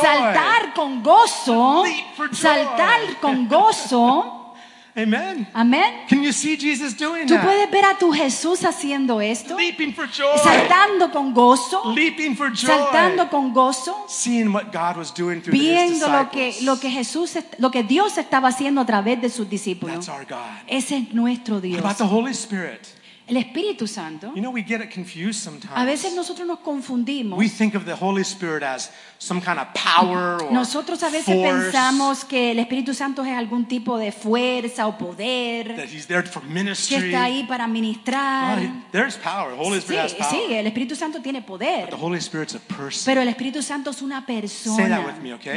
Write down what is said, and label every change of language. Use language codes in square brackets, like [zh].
[es] Saltar con gozo. [en] Leap for joy. [es] Saltar con gozo. [en] Amen. [es] Amen. [en] Can you see Jesus doing [es] that? ¿Tú puedes ver a tu Jesús haciendo esto? [en] Leaping for joy. [es] Saltando con gozo. [en] Leaping for joy. [es] Saltando con gozo. [en] Seeing what God was doing through his disciples. [es] Viendo lo que Jesús lo que Dios estaba haciendo a través de sus discípulos. [en] That's our God. [es] Ese es nuestro Dios. [en] What about the Holy Spirit? [es] El Espíritu Santo. [en] You know, we get it confused sometimes. [es] A veces nosotros nos confundimos. [en] We think of the Holy Spirit as some kind of power or force. [es] Nosotros a veces pensamos que el Espíritu Santo es algún tipo de fuerza o poder. [en] That he's there for ministry. [es] Que está ahí para ministrar. [en] Well, there's power. Holy Spirit [es] sí, [en] has power. [es] Sí, el Espíritu Santo tiene poder. [en] But the Holy Spirit's a person. [es] Pero el Espíritu Santo es una persona. [en] Say that with me, okay?